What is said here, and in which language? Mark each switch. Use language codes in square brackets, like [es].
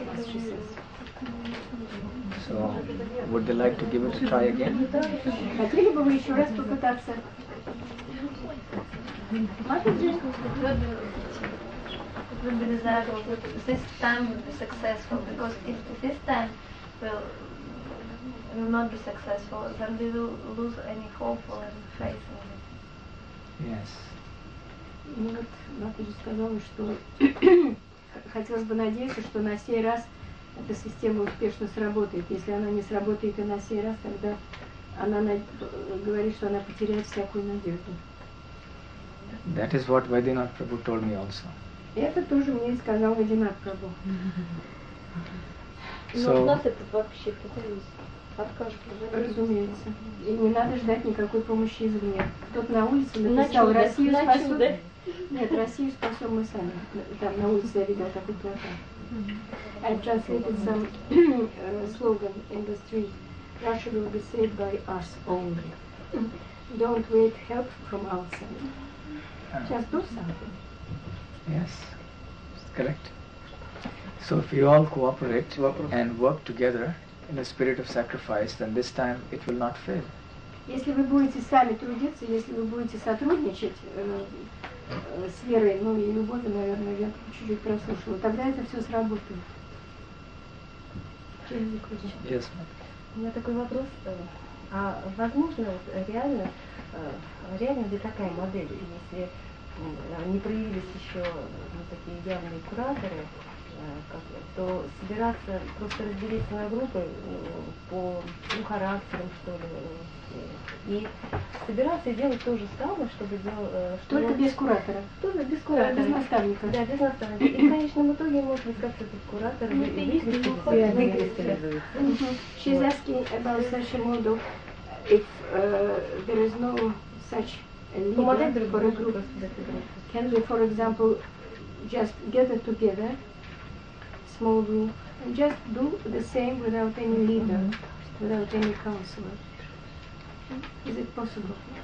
[en] So, would they like to give it a try again? [ru] Хотели бы вы еще раз попытаться? [en] Матаджи, the result of this time will be successful, because if this time will not be successful, then we will lose any hope or any faith in it. Yes. [ru] Вот Матаджи сказала, что хотелось бы надеяться, что на сей раз эта система успешно сработает. Если она не сработает и на сей раз, тогда она говорит, что она потеряет всякую надежду. [en] That is what Vaidyanath Prabhu told me also. [ru] Это тоже мне сказал Вайдинат Прабху. Но у нас это вообще откажет. Разумеется. И не надо ждать никакой помощи извне. Тот на улице написал, Россию спасут. Да? Нет, Россию спасем мы сами. Там на улице я видела такой плакат. [en] I translated some slogan in the street. Russia will be saved by us only. Don't wait help from outside. Just do something. Yes, correct. So if you all cooperate and work together in a spirit of sacrifice, then this time it will not fail. [ru] Если вы будете сами трудиться, если вы будете сотрудничать с верой, ну и любовью, наверное, я чуть-чуть прослушала. Тогда это все сработает. Через закончить. [en] Yes. [ru] У меня такой вопрос. А возможно, реально, реально ли такая модель, если не проявились еще ну, такие явные кураторы, то собираться, просто разделить свою группу по ну, характерам, что ли, и собираться и делать то же самое, чтобы делать... Только чтобы... без куратора? Только без куратора. Без наставника? Да, без наставника. И в конечном итоге, может быть, как-то этот куратор... Ну, это есть, что он выкристаллизуется. [en] She's asking about such a model, if there is no such leader for a group. Can we, for example, just gather together, small group, just do the same without any leader, without any counselor. Is it possible?